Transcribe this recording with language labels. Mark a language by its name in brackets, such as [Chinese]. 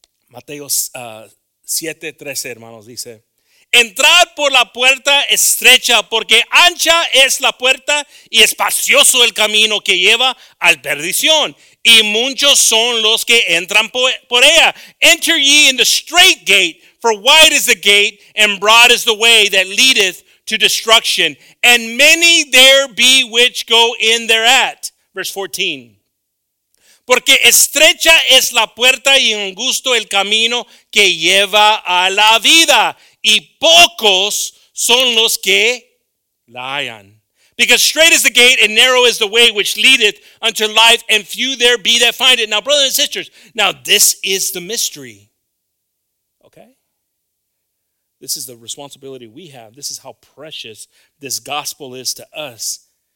[Spanish] Mateo 7:13, hermanos, dice, entrad por la puerta estrecha, porque ancha es la puerta y espacioso el camino que lleva a la perdición. Y muchos son los que entran por ella. [English] Enter ye in the straight gate. For wide is the gate, and broad is the way that leadeth to destruction. And many there be which go in thereat. Verse 14. [Spanish] Porque estrecha es la puerta y angosto el camino que lleva a la vida. Y pocos son los que la hallan. [English] Because straight is the gate and narrow is the way which leadeth unto life. And few there be that find it. Now, brothers and sisters, now this is the mystery. This is the responsibility we have. This is how precious this gospel is to us.